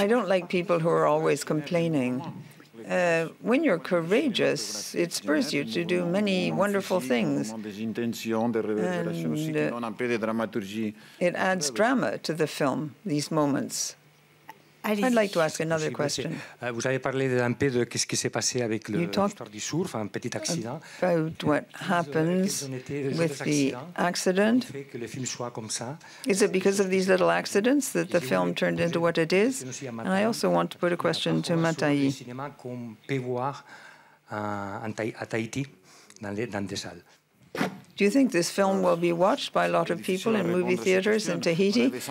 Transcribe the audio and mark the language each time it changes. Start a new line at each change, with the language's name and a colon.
English: I don't like people who are always complaining. When you're courageous, it spurs you to do many wonderful things. And it adds drama to the film, these moments. I'd like to ask another question.
French: Vous avez parlé un peu de qu'est-ce qui s'est passé avec l'histoire du surf, un petit accident.
English: About what happens with the accident.
French: Que le film soit comme ça.
English: Is it because of these little accidents that the film turned into what it is? And I also want to put a question to Matahi.
French: Cinéma qu'on peut voir à Tahiti dans des salles.
English: Do you think this film will be watched by a lot of people in movie theaters in Tahiti?